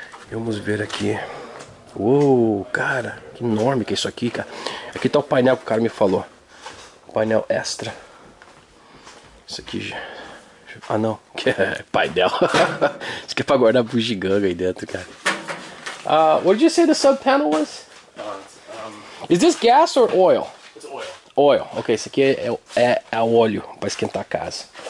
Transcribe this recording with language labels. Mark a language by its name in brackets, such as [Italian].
[Portuguese] Vamos ver aqui. Uou, cara. Que enorme que é isso aqui, cara. Aqui tá o painel que o cara me falou. Painel extra. Isso aqui já... Ah, não, que é painel. Isso aqui é pra guardar bugiganga aí dentro, cara. [English] What did you say the sub panel was? Is this gas or oil? It's oil. [Portuguese] Oil, ok, isso aqui é óleo pra esquentar a casa.